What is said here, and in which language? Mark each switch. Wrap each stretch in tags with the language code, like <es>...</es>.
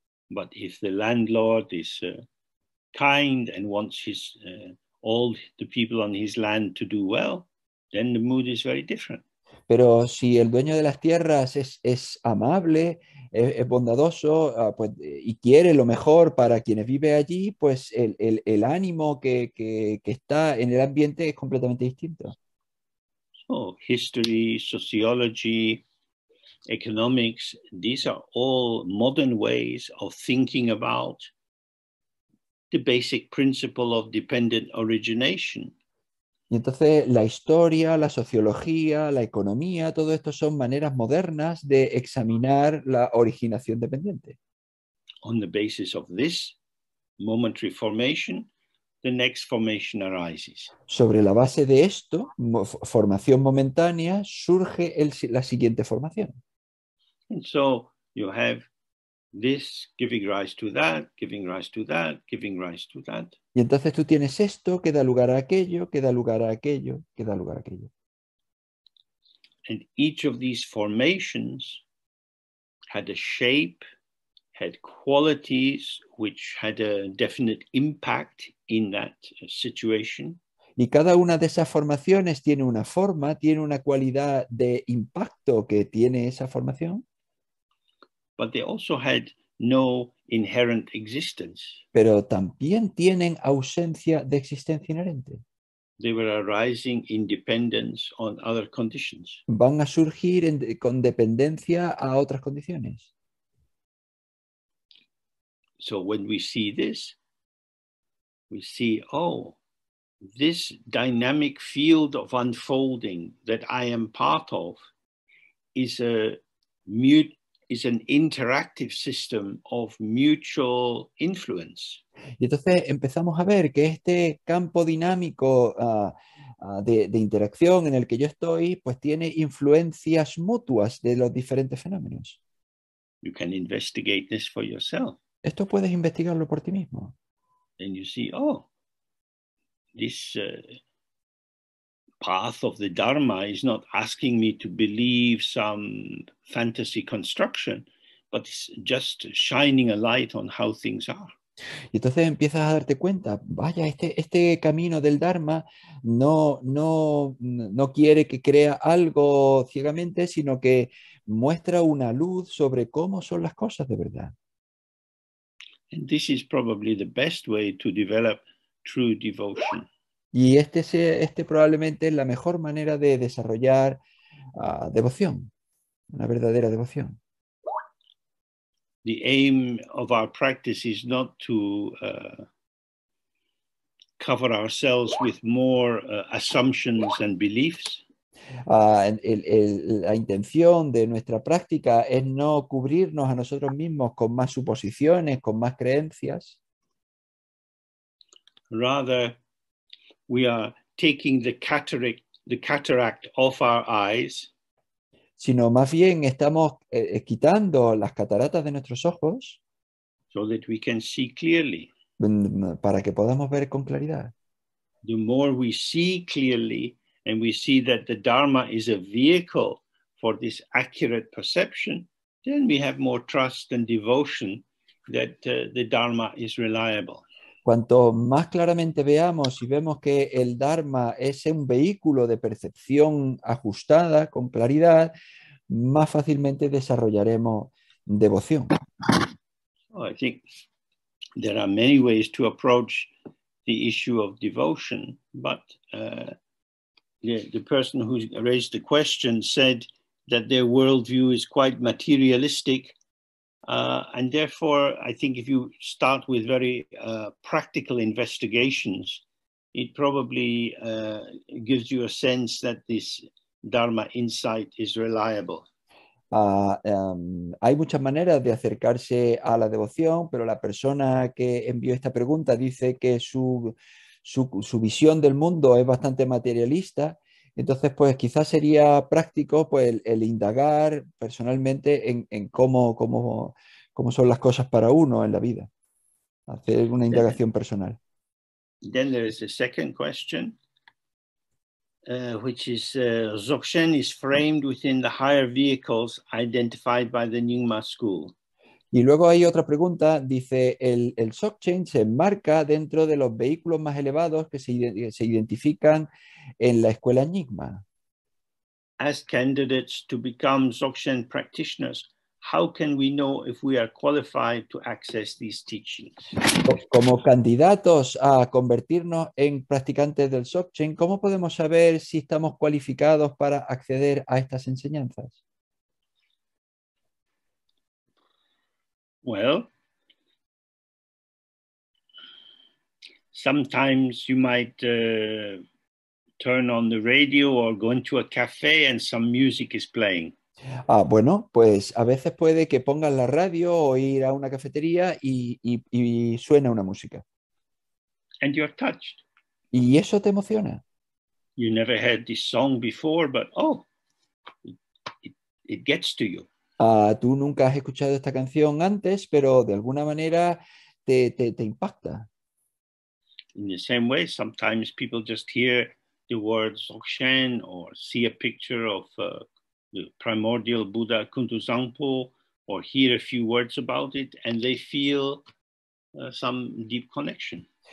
<en>But if the landlord is kind and wants all the people on his land to do well, then the mood is very different.</en> <es>Pero si el dueño de las tierras es amable, es bondadoso, pues, y quiere lo mejor para quienes viven allí, pues el ánimo que está en el ambiente es completamente distinto.</es> <en>So, history, sociology, economics, these are all modern ways of thinking about the basic principle of dependent origination.</en> <es>Y entonces la historia, la sociología, la economía, todo esto son maneras modernas de examinar la originación dependiente.</es> <en>On the basis of this momentary formation, the next formation arises.</en> <es>Sobre la base de esto, formación momentánea, surge la siguiente formación.</es> <en>And so you have this giving rise to that, giving rise to that, giving rise to that.</en> <es>Y entonces tú tienes esto, que da lugar a aquello, que da lugar a aquello, que da lugar a aquello.</es> <en>And each of these formations had a shape, had qualities which had a definite impact in that situation.</en> <es>Y cada una de esas formaciones tiene una forma, tiene una cualidad de impacto que tiene esa formación.</es> <en>But they also had no inherent existence.</en> <es>Pero también tienen ausencia de existencia inherente.</es> <en>They were arising in dependence on other conditions.</en> <es>Van a surgir con dependencia a otras condiciones.</es> <en>So when we see this, we see, oh, this dynamic field of unfolding that I am part of is a mute. Is an interactive system of mutual influence.</en> <es>Y entonces empezamos a ver que este campo dinámico de interacción en el que yo estoy, pues tiene influencias mutuas de los diferentes fenómenos.</es> <en>You can investigate this for yourself.</en> <es>Esto puedes investigarlo por ti mismo.</es> <en>And you see, oh, this path of the Dharma is not asking me to believe some fantasy construction, but it's just shining a light on how things are.</en> <es>Y entonces empiezas a darte cuenta, vaya, este camino del Dharma no quiere que crea algo ciegamente, sino que muestra una luz sobre cómo son las cosas de verdad.</es> <en>And this is probably the best way to develop true devotion.</en> <es>Y este probablemente es la mejor manera de desarrollar devoción. una verdadera devoción.</es> <en>The aim of our practice is not to cover ourselves with more assumptions and beliefs.</en> <es>La intención de nuestra práctica es no cubrirnos a nosotros mismos con más suposiciones, con más creencias.</es> <en>Rather, we are taking the cataract off our eyes.</en> <es>Sino más bien estamos quitando las cataratas de nuestros ojos</es> <en>so that we can see clearly.</en> <es>Para que podamos ver con claridad.</es> <en>The more we see clearly and we see that the Dharma is a vehicle for this accurate perception, then we have more trust and devotion that the Dharma is reliable.</en> <es>Cuanto más claramente veamos y vemos que el Dharma es un vehículo de percepción ajustada con claridad, más fácilmente desarrollaremos devoción.</es> <en>Oh, I think there are many ways to approach the issue of devotion, but the person who raised the question said that their worldview is quite materialistic. And therefore, I think if you start with very practical investigations, it probably gives you a sense that this Dharma insight is reliable.</en> <es>Hay muchas maneras de acercarse a la devoción, pero la persona que envió esta pregunta dice que su visión del mundo es bastante materialista. Entonces, pues quizás sería práctico pues, el indagar personalmente en cómo son las cosas para uno en la vida. Hacer una indagación personal.</es> <en>Then there is a second question, which is, Dzogchen is framed within the higher vehicles identified by the Nyingma school.</en> <es>Y luego hay otra pregunta, dice, el Dzogchen se enmarca dentro de los vehículos más elevados que se identifican en la escuela Nyingma.</es> <en>As candidates to become Dzogchen practitioners, how can we know if we are qualified to access these teachings?</en> <es>Como candidatos a convertirnos en practicantes del Dzogchen, ¿cómo podemos saber si estamos cualificados para acceder a estas enseñanzas?</es> <en>Well, sometimes you might turn on the radio or go into a cafe and some music is playing.</en> <es>Ah, bueno, pues a veces puede que pongan la radio o ir a una cafetería y suena una música.</es> <en>And you're touched.</en> <es>Y eso te emociona.</es> <en>You never heard this song before, but oh, it gets to you.</en> <es>Tú nunca has escuchado esta canción antes, pero de alguna manera te impacta.</es> <en>In the same way, sometimes people just hear the word Dzogchen or see a picture of the primordial Buddha Kuntuzangpo or hear a few words about it and they feel some deep connection.</en>